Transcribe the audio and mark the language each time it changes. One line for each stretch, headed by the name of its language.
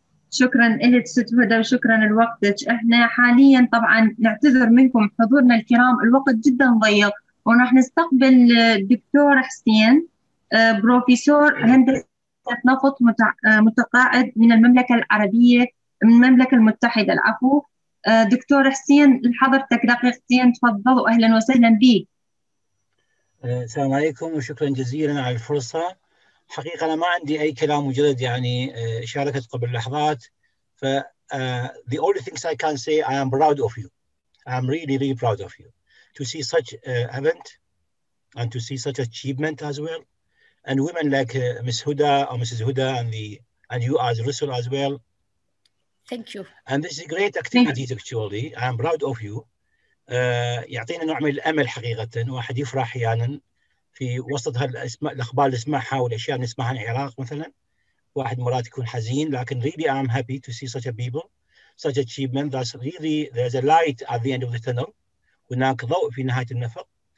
Arabic: شكرا لك ست هدى، وشكرا لوقتك. احنا حاليا طبعا نعتذر منكم حضورنا الكرام، الوقت جدا ضيق، وراح نستقبل الدكتور حسين، بروفيسور هندسه نفط، متقاعد من المملكه العربيه، من المملكه المتحده العفو. دكتور حسين لحضرتك دقيقتين، تفضلوا. اهلا وسهلا بك. السلام عليكم، وشكرا جزيلا على الفرصه. حقيقة أنا ما عندي أي كلام، مجرد يعني شاركت قبل لحظات. ف
English: the only things I can say, I am proud of you. I am really, really proud of you to see such event and to see such achievement as well. And women like Ms. Huda or Mrs. Huda and the and you as Rusul as well. Thank you. And this is a great activity, actually. I'm proud of you.
Arabic: يعطينا نوع من الأمل حقيقة واحد يفرح أحيانا في وسط الأخبار اللي نسمعها والأشياء اللي نسمعها عن العراق مثلا واحد مرات يكون حزين لكن
English: really I'm happy to see such a people such achievement that's really there's a light at the end of the tunnel
Arabic: هناك ضوء في نهاية النفق